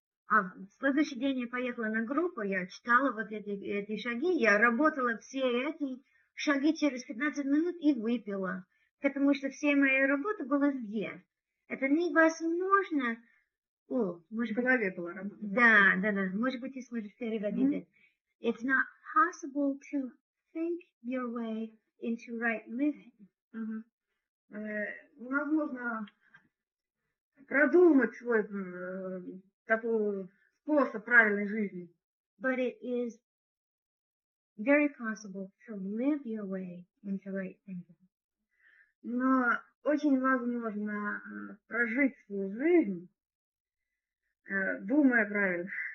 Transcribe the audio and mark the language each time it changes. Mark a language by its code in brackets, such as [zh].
[ru] А в следующий день я поехала на группу, я читала вот эти шаги, я работала все эти шаги через 15 минут и выпила. Потому что вся моя работа была здесь. Это невозможно. О, может в голове быть, была работа. Да. Может быть, ты сможешь переводить это. [en] It's not possible to think your way into right living. [ru] Возможно продумать свой такой способ правильной жизни. [en] But it is very possible to live your way into right thinking. [ru] Но очень возможно прожить свою жизнь, думая правильно.